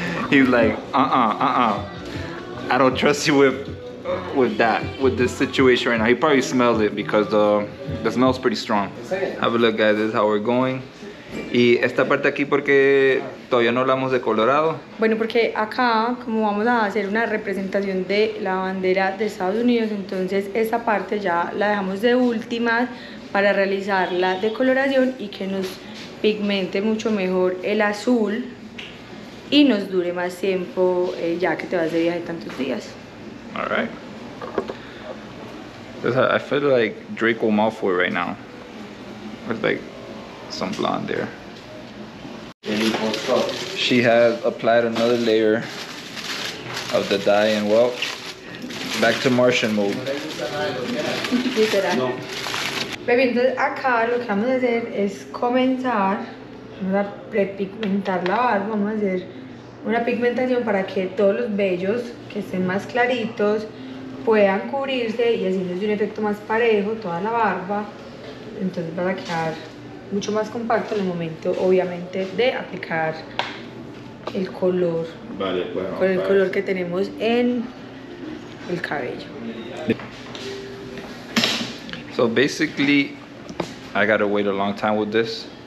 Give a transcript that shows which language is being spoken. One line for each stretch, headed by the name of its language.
English: He's like, I don't trust you with this situation right now. He probably smelled it because the smell's pretty strong. Have a look, guys, this is how we're going.
Spanish: Y esta parte aquí porque todavía no hablamos de Colorado. Bueno, porque acá como vamos a hacer una representación de la bandera de Estados Unidos, entonces esa parte ya la dejamos de última para realizar la decoloración y que nos pigmente mucho mejor el azul y nos dure más tiempo ya que te vas de viaje tantos días.
English: All right. I feel like Draco Malfoy right now. With like some blonde there. She has applied another layer of the dye and well, back to Martian mode.
Spanish: Baby, entonces acá lo que vamos a hacer es comenzar, vamos a prepigmentar la barba, vamos a hacer una pigmentación para que todos los vellos que estén más claritos puedan cubrirse y así nos dé un efecto más parejo toda la barba. Entonces va a quedar mucho más compacto en el momento, obviamente, de aplicar el color. Vale, bueno, con el color que tenemos en el cabello.
English: So basically, I gotta wait a long time with this.